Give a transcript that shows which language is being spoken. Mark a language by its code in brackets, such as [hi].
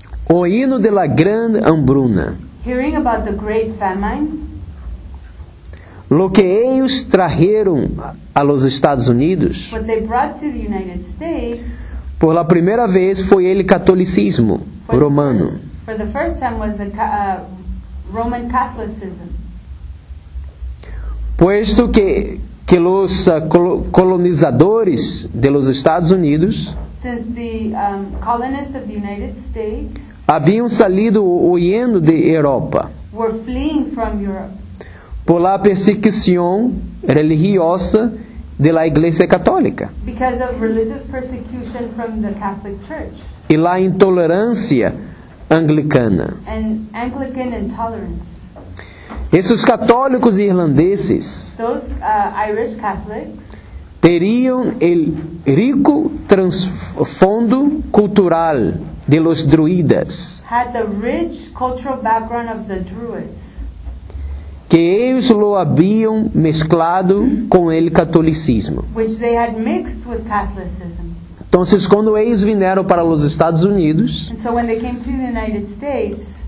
[es] Oyendo de la gran hambruna. [en] Hearing about the great famine. [es] Lo que ellos trajeron a los Estados Unidos. [en] What they brought to the United States. [es] Por la primera vez fue el catolicismo romano. [en] For the first time was the Roman Catholicism. [es] Puesto que los colonizadores de los Estados Unidos. [en] Since the colonists of the United States. [es] Habían salido huyendo de Europa. [en] Were fleeing from Europe. [es] Por la persecución religiosa de la Iglesia Católica. [en] Because of religious persecution from the Catholic Church. [es] Y la intolerancia anglicana. [en] And Anglican intolerance. [es] Esos católicos irlandeses. [en] Those Irish Catholics. [es] Terían el rico trasfondo cultural de los druidas. [en] Had the rich cultural background of the druids. [es] Que ellos lo habían mezclado con el catolicismo. [en] Which they had mixed with Catholicism. [es] Entonces, cuando ellos vinieron para los Estados Unidos. [en] And so when they came to the United States.